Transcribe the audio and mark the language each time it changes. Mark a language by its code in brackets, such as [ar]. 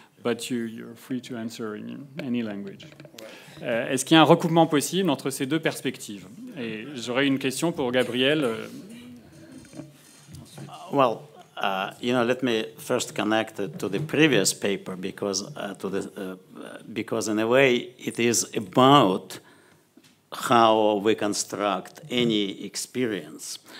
[en] But you're free to answer in any language. [fr] Est-ce qu'il y a un recoupement possible entre ces deux perspectives? Et j'aurais une question pour Gabriel. [en] Well, let me first connect to the previous paper because in a way it is about how we construct any experience.